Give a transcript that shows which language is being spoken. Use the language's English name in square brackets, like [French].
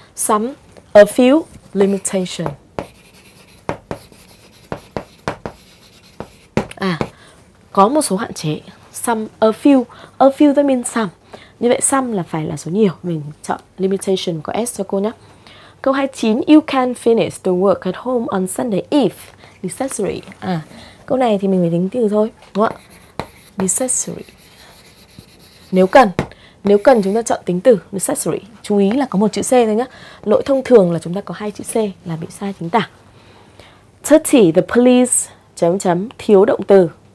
[English] Some, a few limitation. [Vietnamese] À, có một số hạn chế. [English] Some, a few that means some. [Vietnamese] Như vậy some là phải là số nhiều. Mình chọn limitation có S cho cô nhé. [English] Câu 29, you can finish the work at home on Sunday if necessary. [Vietnamese] À, câu này thì mình phải tính từ thôi, đúng không ạ? Necessary. Nếu cần chúng ta chọn tính từ necessary. Chú ý là có một chữ C thôi nhá. Lỗi thông thường là chúng ta có hai chữ C là bị sai chính tả. 30, the police chấm chấm thiếu động từ.